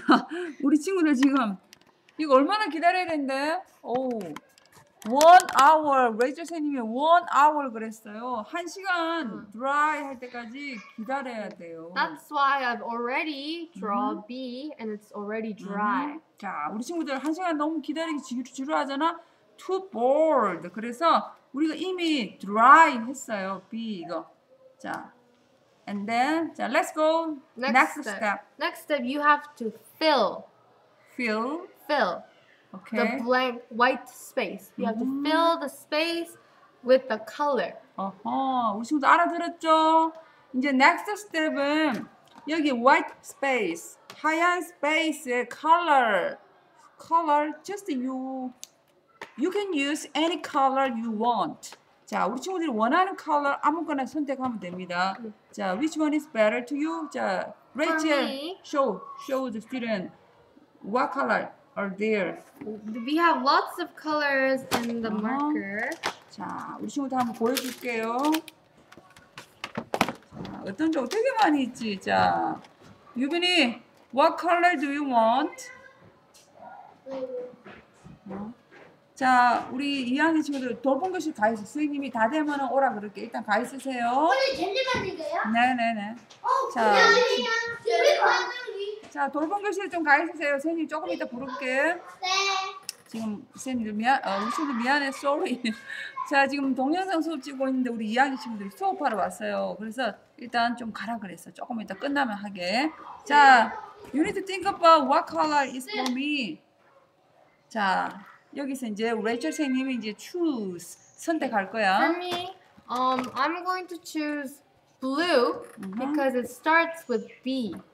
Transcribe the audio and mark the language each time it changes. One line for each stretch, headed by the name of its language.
Korean: 자, 우리 친구들 지금 이거 얼마나 기다려야 된대? 오. 1 hour. 레이첼 선생님이 1 hour 그랬어요. 1시간 dry 할 때까지 기다려야 돼요.
English: That's why I've already drawn B and it's already dry.
Korean: 자, 우리 친구들 1시간 너무 기다리기 지루하잖아?
English: Too bored.
Korean: 그래서 우리가 이미 dry 했어요. B 이거.
English: 자, and then 자, let's go. Next step. Next step, you have to fill. Fill. Fill. okay. the blank white space. You have to fill the space with the color.
Korean: 어허, 우리 친구도 알아들었죠? 이제
English: next step
Korean: 은 여기 white space, 하얀 space의 color.
English: Color, just you can use any color you want.
Korean: 자, 우리 친구들이 원하는 컬러 아무거나 선택하면 됩니다.
English: 자, which one is better to you? 자, Rachel, show the student what color are there. We have lots of colors in the marker.
Korean: 자, 우리 친구들 한번 보여줄게요. 자, 어떤 종 되게 많이 있지?
English: 자, 유빈이, what color do you want?
Korean: 자, 우리 2학년 친구들 돌봄 교실 가 있어. 선생님이 다 되면 오라 그럴게. 일단 가 있으세요. 네. 자, 자 돌봄 교실 좀 가 있으세요. 선생님 조금 이따 부를게. 네. 지금 선생님들 우리 친구들 미안해.
English: Sorry.
Korean: 자, 지금 동영상 수업 찍고 있는데 우리 2학년 친구들이 수업하러 왔어요. 그래서 일단 좀 가라 그랬어. 조금 이따 끝나면 하게.
English: 자, you need to think about what color is for me.
Korean: 자, 여기서 이제 레이첼 선생님이 이제 choose 선택할 거야.
English: For me, I'm going to choose blue because it starts with B.